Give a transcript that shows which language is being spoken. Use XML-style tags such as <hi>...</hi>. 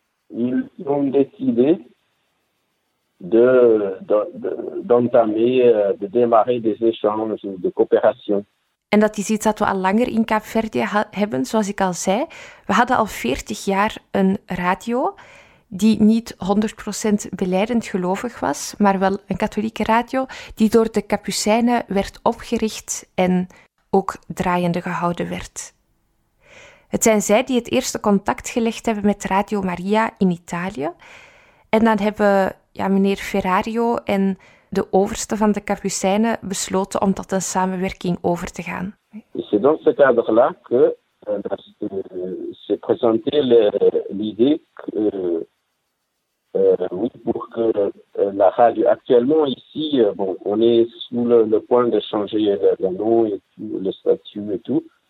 <fr>Ils ont décidé de démarrer des échanges, de coopération.</fr> <nl>En dat is iets dat we al langer in Kaapverdië hebben, zoals ik al zei. We hadden al 40 jaar een radio die niet 100% belijdend gelovig was, maar wel een katholieke radio die door de Capucijnen werd opgericht en ook draaiende gehouden werd. Het zijn zij die het eerste contact gelegd hebben met Radio Maria in Italië. En dan hebben ja, meneer Ferrario en de overste van de Capucijnen besloten om tot een samenwerking over te gaan. Het is in dit kader dat ze presenteren</nl> <fr>l'idée que oui, pour que la radio actuellement ici, bon, on est sous le point de changer le nom et tout, le statut et tout.</fr>